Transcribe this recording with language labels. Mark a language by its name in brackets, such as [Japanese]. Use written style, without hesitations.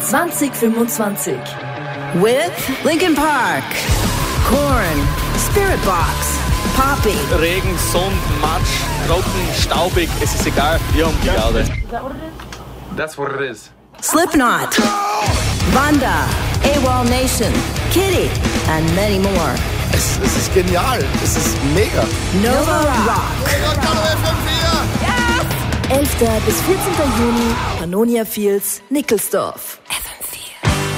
[English] With Linkin Park, Korn, Spirit Box, Poppy. [German] Regen, Sonn, Matsch, trocken, staubig, es ist egal, wir haben die Erde. [English] That's what it is. Slipknot, Wanda, AWOL Nation, Kitty, and many more. [German] Es ist genial, es ist mega. Nova Rock. [English] Yes! [German] 11. bis 14. Juni, Pannonia Fields, Nickelsdorf. FM4.